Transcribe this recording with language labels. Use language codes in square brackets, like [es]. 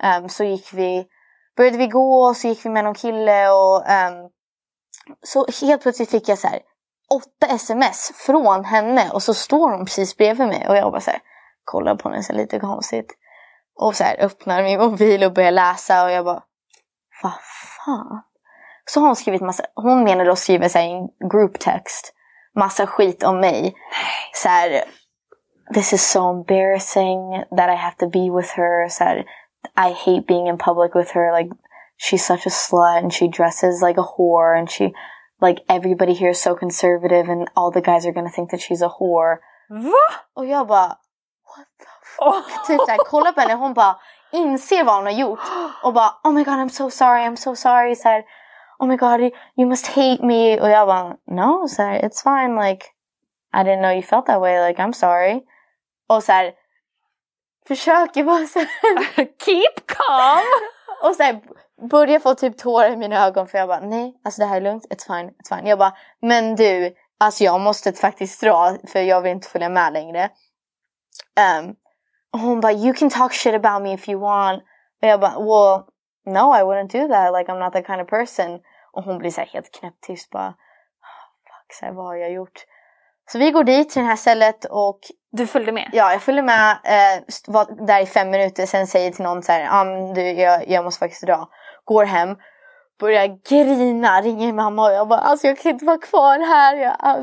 [sv] Så gick vi började vi gå och så gick vi med någon kille och så helt plötsligt fick jag så här 8 sms från henne och så står hon precis bredvid mig och jag bara så här kollar på henne så lite konstigt och så här öppnar min mobil och börjar läsa och jag bara vad fan. Så hon skrivit massa hon menade att skriva så här en group text massa skit om mig. Nej. Så här [en] this is so embarrassing that I have to be with her [sv] så här, [en] I hate being in public with her like she's such a slut and she dresses like a whore and she like everybody here is so conservative and all the guys are going to think that she's a whore. [sv] Va? Och jag bara [en] what the fuck? [sv] Typ så här, kolla på henne hon bara inser vad hon har gjort och bara [en] oh my god I'm so sorry [sv] så här, [en] oh my god you must hate me [sv] och jag bara no så här, [en] it's fine like I didn't know you felt that way like I'm sorry [sv] och så här försöker bara så här, [en] keep calm [sv] och så här börjar få typ tårar i mina ögon för jag bara nej alltså det här är lugnt [en] it's fine [sv] jag bara men du alltså jag måste faktiskt dra för jag vill inte följa med längre. Hon bara, [en] you can talk shit about me if you want. [sv] Och jag bara, [en] well, no, I wouldn't do that. Like, I'm not that kind of person. [sv] Och hon blir så här helt knäpptyst. Bara, [en] oh, fuck, [sv] så här, vad har jag gjort? Så vi går dit till det här stället och... Du följde med? Ja, jag följde med. Var där i 5 minuter. Sen säger till någon så här, jag måste faktiskt dra. Går hem. Börjar grina, ringer mamma. Och jag bara, alltså jag kan inte vara kvar här.